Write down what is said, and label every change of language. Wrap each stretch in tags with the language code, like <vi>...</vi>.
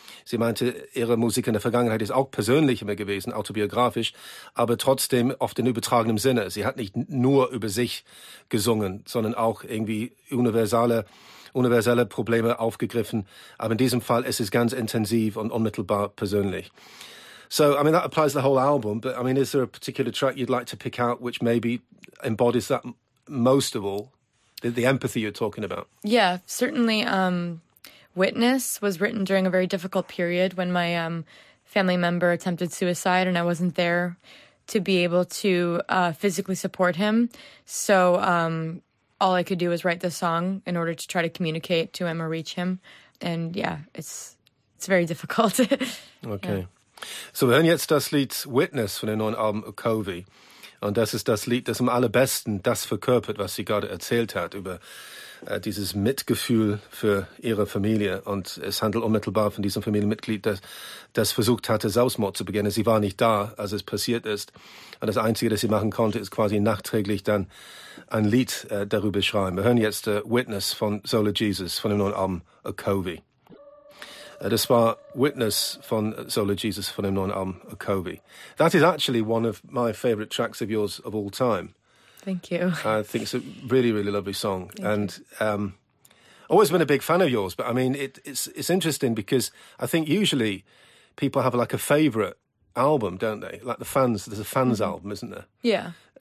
<de>Sie meinte, ihre Musik in der Vergangenheit ist auch persönlich immer gewesen, autobiografisch, aber trotzdem oft in übertragenem Sinne. Sie hat nicht nur über sich gesungen, sondern auch irgendwie universelle Probleme aufgegriffen. Aber in diesem Fall ist es ganz intensiv und unmittelbar persönlich.</de> <en>So, I mean, that applies the whole album, but I mean, is there a particular track you'd like to pick out which maybe embodies that most of all? The empathy you're talking about. Yeah, certainly. Witness was written during a very difficult period when my family member attempted suicide and I wasn't there to be able to physically support him. So all I could do was write the song in order to try to communicate to him or reach him. And yeah, it's very difficult. Okay. Yeah.</en> <de>So wir hören jetzt das Lied Witness von dem neuen Album Okovi. Und das ist das Lied, das am allerbesten das verkörpert, was sie gerade erzählt hat über dieses Mitgefühl für ihre Familie. Und es handelt unmittelbar von diesem Familienmitglied, das versucht hatte, Selbstmord zu beginnen. Sie war nicht da, als es passiert ist. Und das Einzige, das sie machen konnte, ist quasi nachträglich dann ein Lied darüber schreiben. Wir hören jetzt Witness von Solar Jesus, von dem neuen Album Okovi. Das war Witness von Solar Jesus von dem neuen Album Okovi.</de> <en>That is actually one of my favorite tracks of yours of all time. Thank you. I think it's a really, really lovely song. Thank you. Always been a big fan of yours, but I mean, it's interesting because I think usually people have like a favorite album, don't they? Like the fans, there's a fans album, isn't there? Yeah.</en>